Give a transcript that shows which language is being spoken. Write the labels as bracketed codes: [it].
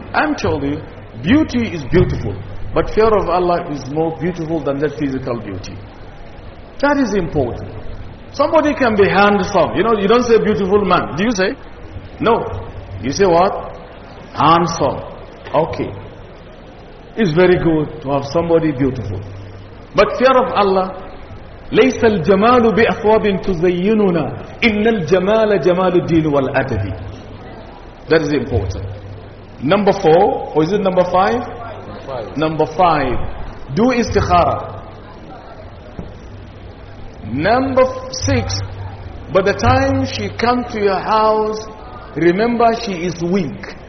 [en] I'm telling you, beauty is beautiful. But fear of Allah is more beautiful than that physical beauty. That is important. Somebody can be handsome. You know, you don't say beautiful man. Do you say? No. You say what? Handsome. Okay. It's very good to have somebody beautiful. But fear of Allah, [ar] لَيْسَ الْجَمَالُ بِأَخْوَابٍ تُزَيِّنُنَا إِنَّ الْجَمَالَ جَمَالُ الدِّينُ وَالْأَدَبِ. [en] That is important. Number four, or is it number five? Number five. Do istikhara. Number six, by the time she comes to your house, remember she is weak.